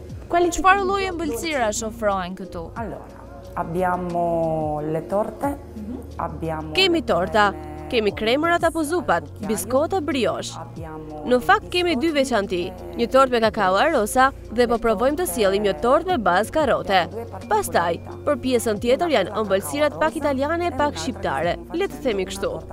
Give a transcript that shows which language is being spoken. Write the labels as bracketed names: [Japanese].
[Albanian] Çfarë lloj ëmbëlsirash ofrohen këtu? [Italian] Abbiamo le torte, abbiamo [Albanian] Kemi torta. Kemi kremërat apo zupat, biskota brioche. Në fakt kemi dy veçanti, një tort me kakao arosa dhe po provojmë të sjellim një tort me bazë karote. Pastaj, për pjesën tjetër janë ëmbëlsirat pak italiane e pak shqiptare, le të themi kështu.